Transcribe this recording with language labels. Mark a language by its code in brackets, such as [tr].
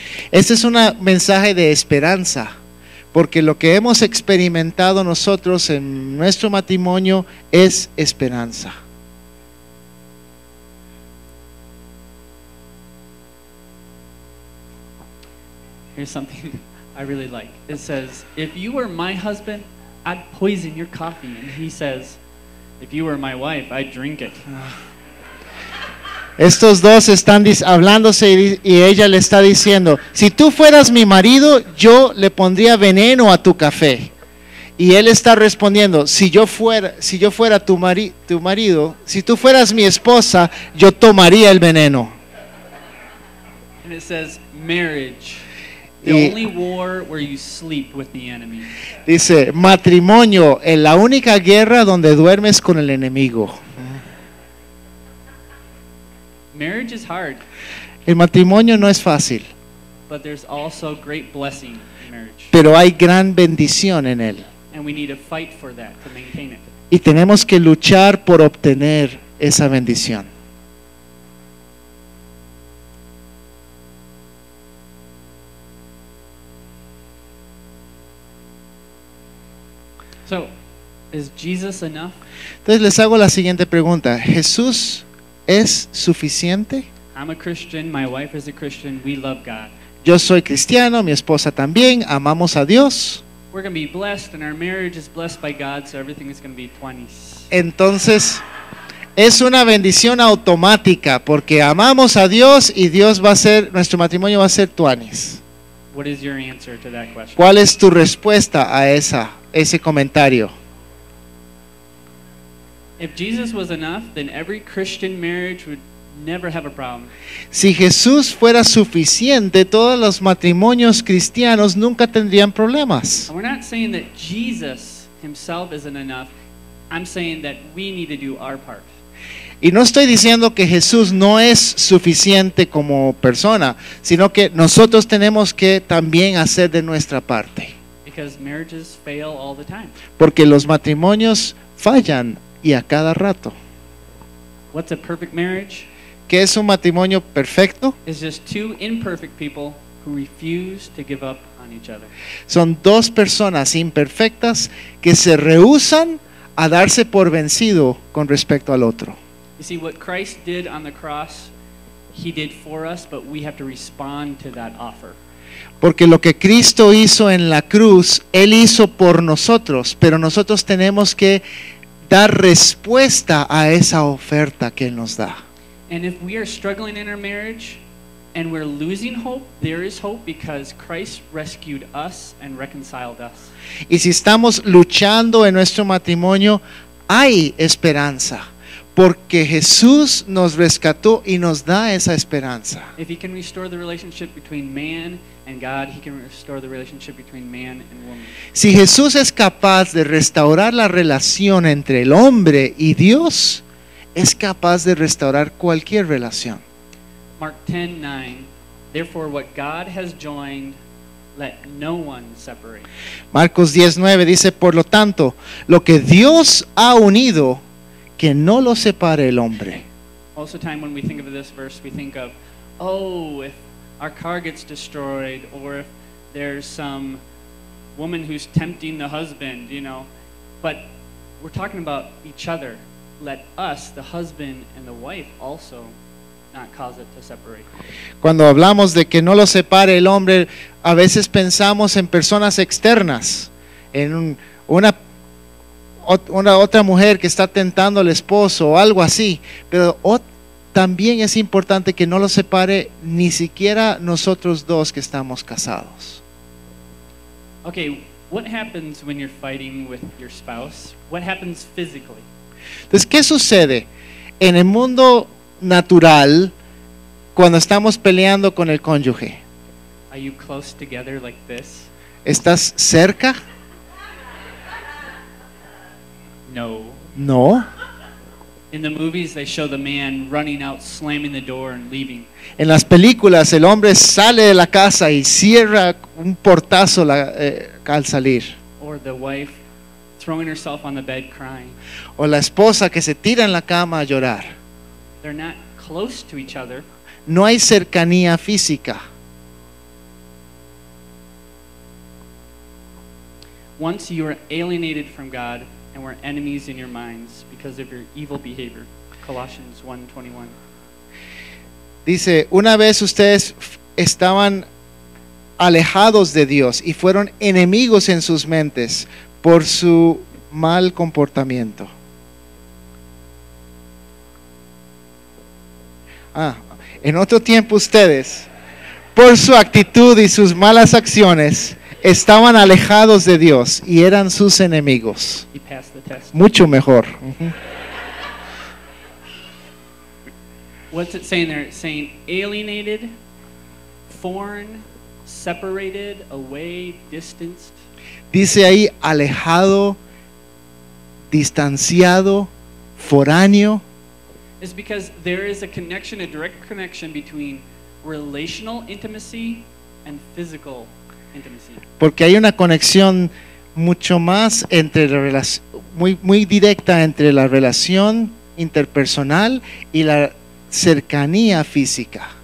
[es] Este es un mensaje de esperanza, porque lo que hemos experimentado nosotros en nuestro matrimonio es esperanza. [en] Here's something I really like. It says, if you were my husband, I'd poison your coffee. And he says, if you were my wife, I'd drink it. [es] Estos dos están hablándose y ella le está diciendo, si tú fueras mi marido, yo le pondría veneno a tu café. Y él está respondiendo, si yo fuera tu marido, si tú fueras mi esposa, yo tomaría el veneno. [en] And it says, marriage. The only war where you sleep with the enemy. [es] Dice, matrimonio, en la única guerra donde duermes con el enemigo. [en] Marriage is hard. [es] El matrimonio no es fácil. [en] But there's also great blessing in marriage. [es] Pero hay gran bendición en él. [en] And we need to fight for that to maintain it. [es] Y tenemos que luchar por obtener esa bendición. [en] So, is Jesus enough? [es] Entonces les hago la siguiente pregunta. ¿Jesús es suficiente? [en] I'm a Christian, my wife is a Christian, we love God. [es] Yo soy cristiano, mi esposa también, amamos a Dios. [en] we're going to be blessed and our marriage is blessed by God, so everything is going to be 20s. [es] Entonces, es una bendición automática porque amamos a Dios y Dios va a ser, nuestro matrimonio va a ser 20s. [en] What is your answer to that question? [es] ¿Cuál es tu respuesta a ese comentario? [en] If Jesus was enough, then every Christian marriage would never have a problem. [es] Si Jesús fuera suficiente, todos los matrimonios cristianos nunca tendrían problemas. [en] We're not saying that Jesus himself isn't enough. I'm saying that we need to do our part. [es] Y no estoy diciendo que Jesús no es suficiente como persona, sino que nosotros tenemos que también hacer de nuestra parte. [en] Because marriages fail all the time. [es] Porque los matrimonios fallan y a cada rato. [en] What's a perfect marriage? [es] ¿Qué es un matrimonio perfecto? [en] It's just two imperfect people who refuse to give up on each other. [es] Son dos personas imperfectas que se rehúsan a darse por vencido con respecto al otro. [en] You see, what Christ did on the cross, he did for us, but we have to respond to that offer. [es] Porque lo que Cristo hizo en la cruz, él hizo por nosotros, pero nosotros tenemos que dar respuesta a esa oferta que él nos da. [en] And if we are struggling in our marriage and we're losing hope, there is hope because Christ rescued us and reconciled us. [es] Y si estamos luchando en nuestro matrimonio, hay esperanza. Porque Jesús nos rescató y nos da esa esperanza. [en] If he can restore the relationship between man and God, he can restore the relationship between man and woman. [es] Si Jesús es capaz de restaurar la relación entre el hombre y Dios, es capaz de restaurar cualquier relación. [en] Mark 10:9. Therefore what God has joined, let no one separate. [es] Marcos 10:9 dice, por lo tanto, lo que Dios ha unido, que no lo separe el hombre. [en] Most of the time when we think of this verse, we think of, oh, if our car gets destroyed, or if there's some woman who's tempting the husband, you know. But we're talking about each other. Let us, the husband and the wife, also not cause it to separate. [es] Cuando hablamos de que no lo separe el hombre, a veces pensamos en personas externas, en una otra mujer que está tentando al esposo o algo así, pero también es importante que no lo separe ni siquiera nosotros dos que estamos casados. [en] Okay, what happens when you're fighting with your spouse? What happens physically? [es] Entonces, ¿qué sucede en el mundo natural cuando estamos peleando con el cónyuge? [en] Are you close together like this? [es] ¿Estás cerca? [en] No. [es] No. [en] In the movies they show the man running out, slamming the door and leaving. [es] En las películas el hombre sale de la casa y cierra un portazo al salir. [en] Or the wife throwing herself on the bed crying. [es] O la esposa que se tira en la cama a llorar. [en] They're not close to each other. [es] No hay cercanía física. [en] Once you are alienated from God, and we're enemies in your minds because of your evil behavior. Colossians 1:21. [es] Dice, una vez ustedes estaban alejados de Dios y fueron enemigos en sus mentes por su mal comportamiento. En otro tiempo ustedes, por su actitud y sus malas acciones, estaban alejados de Dios y eran sus enemigos. Mucho mejor. [en] What's it saying there? It's saying alienated, foreign, separated, away, distanced. [es] Dice ahí alejado, distanciado, foráneo. [en] It's because there is a connection, a direct connection between relational intimacy and physical intimacy. [es] Porque hay una conexión mucho más entre la relación, muy directa entre la relación interpersonal y la cercanía física.